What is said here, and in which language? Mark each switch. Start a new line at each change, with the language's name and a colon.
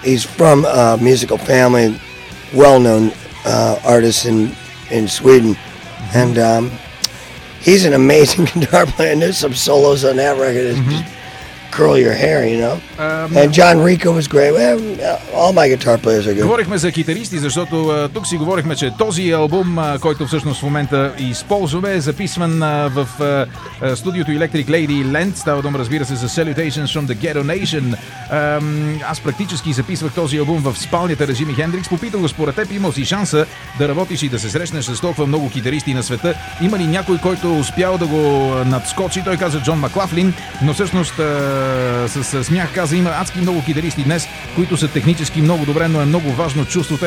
English: he's from a musical family, well-known artist in Sweden, mm-hmm. and he's an amazing guitar player, and there's some solos on that record. It's mm-hmm. just curl your hair, you know. And John Rico was great. Well, all my guitar players are good.
Bulgarian: Говорихме за китаристи, защото тук си говорихме, че този албум, който всъщност в момента използваме, е записван в студиото Electric Lady Land. Става дума, разбира се, за Salutations from the Ghetto Nation. Аз практически записвах този албум в спалнята на Джими Хендрикс. Попитал го, според теб имал си шанса да работиш и да се срещнеш с толкова много китаристи на света. Има ли някой, който успял да го надскочи? Той каза Джон Маклафлин, но всъщност с смях каза, има адски много китаристи днес, които са технически много добре, но е много важно чувството.